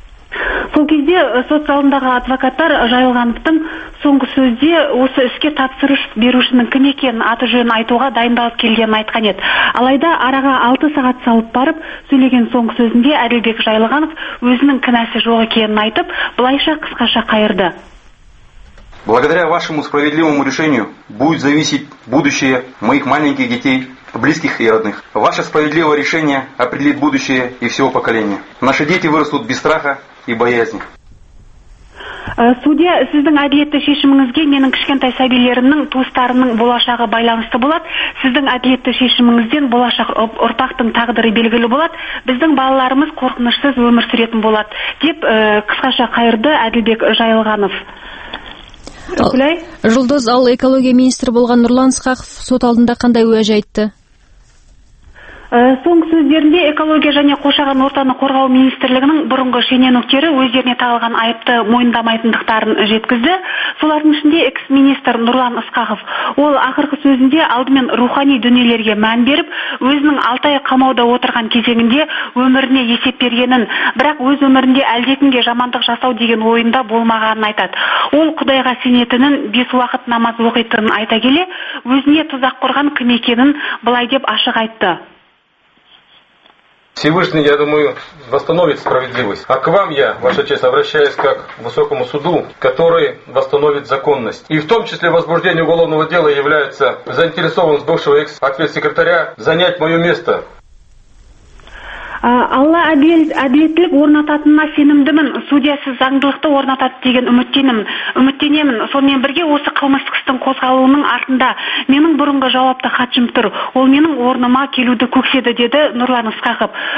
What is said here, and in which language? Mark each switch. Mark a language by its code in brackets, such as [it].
[kk] Сол кезде сот залындағы адвокаттар Жайылғановтың соңғы сөзде осы іске тапсырыс берушінің кім екенін аты жөнін айтуға дайындалып келгенін айтқан еді. Алайда араға 6 сағат салып барып сөйлеген соңғы сөзінде Әділбек Жайылғанов өзінің кінәсі жоқ екенін айтып, былайша қысқаша қайырды. [ru] Благодаря вашему справедливому решению будет зависеть будущее моих маленьких детей, близких и родных. Ваше справедливое решение определит будущее и всего поколения. Наши дети вырастут без страха и боязни. [kk] Судья, сіздің әділетті шешіміңізге менің кішкентай сәбилерімнің туыстарының болашағы байланысты болады. Сіздің әділетті шешіміңізден болашақ ұрпақтың тағдыры белгілі болады. Біздің балаларымыз қорқынышсыз өмір сүретін болады деп қысқаша қайырды Әділбек Жайылғанов. Жұлдыз, ал экология министрі болған Нұрлан Сқақов сот алдында қандай уәж айтты? Соңғы сөздерінде экология және қоршаған ортаны қорғау министрлігінің бұрынғы шенеуніктері өздеріне тағылған айыпты мойындамайтындықтарын жеткізді. Солардың ішінде экс-министр Нұрлан Ысқақов. Ол ақырғы сөзінде алдымен рухани дүниелерге мән беріп, өзінің 6 ай қамауда отырған кезеңінде өміріне есеп бергенін, бірақ өз өмірінде әлдекімге жамандық жасау деген ойында болмағанын айтады. Ол Құдайға сенетінін, 5 уақыт намаз оқитынын айта келе, өзіне тұзақ құрған кім екенін былай деп ашық айтты. [ru] Всевышний, я думаю, восстановит справедливость. А к вам я, ваша честь, обращаюсь как к высокому суду, который восстановит законность. И в том числе возбуждение уголовного дела является заинтересованность бывшего экс-ответ-секретаря занять мое место. [kk] Алла әділеттілік орнататынына сенімдімін, судья сіз заңдылықты орнатады деген үміттенемін. Сонымен бірге осы қылмыстық істің қозғалуының артында менің бұрынғы жауапты хатшым тұр. Ол менің орныма келуді көкседі, деді Нұрлан Ысқақов.